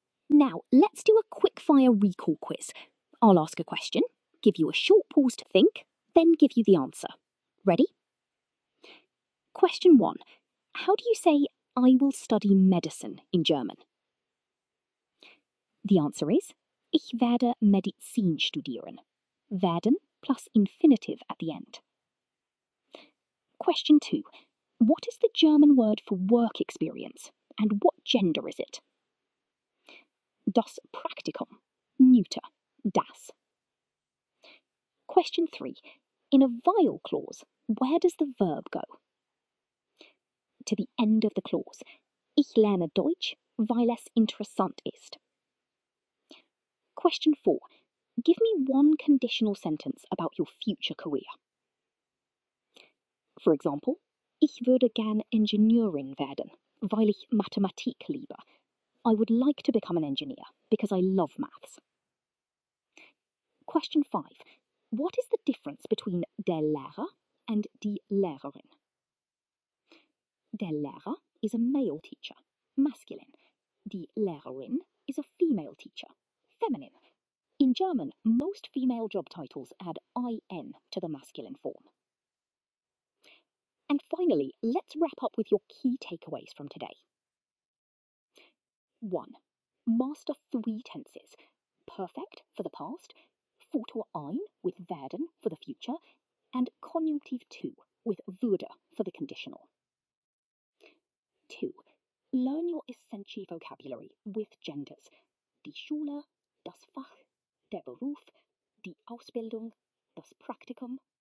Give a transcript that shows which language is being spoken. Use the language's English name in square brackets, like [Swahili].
[English] Now, let's do a quick-fire recall quiz. I'll ask a question, give you a short pause to think, then give you the answer. Ready? Question 1. How do you say, I will study medicine in German? The answer is, [German] ich werde Medizin studieren. [English] Werden plus infinitive at the end. Question 2. What is the German word for work experience and what gender is it? [German] Das Praktikum, neuter, das. [English] Question 3. In a vial clause, where does the verb go? To the end of the clause. [German] Ich lerne Deutsch, weil es interessant ist. [English] Question 4. Give me one conditional sentence about your future career. For example, [German] ich würde gern Ingenieurin werden, weil ich Mathematik liebe. [English] I would like to become an engineer because I love maths. Question 5. What is the difference between der Lehrer and die Lehrerin? Der Lehrer is a male teacher, masculine. Die Lehrerin is a female teacher, feminine. In German, most female job titles add IN to the masculine form. And finally, let's wrap up with your key takeaways from today. 1. Master 3 tenses. Perfect for the past, Futur ein with werden for the future, and Konjunktiv 2 with würde for the conditional. 2. Learn your essential vocabulary with genders. [German] Die Schule, das Fach, der Beruf, die Ausbildung, das Praktikum.